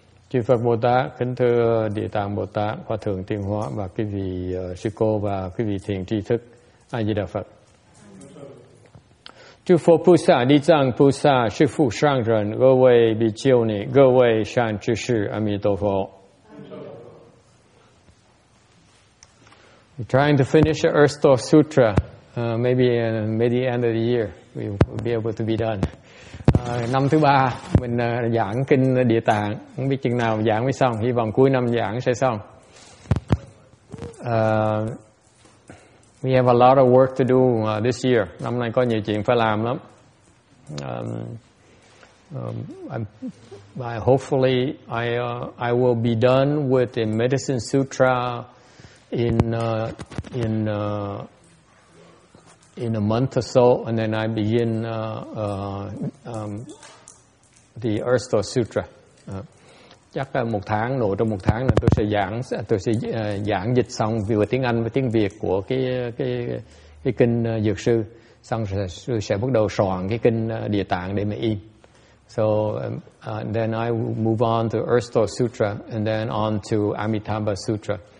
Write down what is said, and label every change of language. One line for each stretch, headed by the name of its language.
Vietnamese: Chư Phật Bồ Tát, kính thưa Địa Tạng Bồ Tát, Hòa Thượng Tiên Hóa và quý vị sư cô và quý vị thiền tri thức, A Di Đà Phật. Chư Phật Bồ Tát, Di Tạng Bồ Tát, Sư Phụ Sang Rần, Gơ Vây Bị Chiêu Nị, Gơ Vây Sang Chư Sư, Amitofo.
English: We're trying to finish the Earth Store Sutra, maybe the end of the year we will be able to be done.
Vietnamese: Năm thứ ba mình giảng kinh Địa Tạng, không biết chừng nào giảng mới xong. Hy vọng cuối năm giảng sẽ xong.
English: We have a lot of work to do this year.
Vietnamese: Năm nay có nhiều chuyện phải làm lắm.
English: I will be done with the Medicine Sutra in a month or so, and then I begin the Earth-Store Sutra.
Vietnamese: Chắc một tháng nữa, trong một tháng nữa tôi sẽ giảng dịch xong vừa tiếng Anh và tiếng Việt của cái kinh Dược Sư, xong rồi sẽ bắt đầu soạn cái kinh Địa Tạng để mà in.
English: So then I will move on to Earth-Store Sutra and then on to Amitabha Sutra.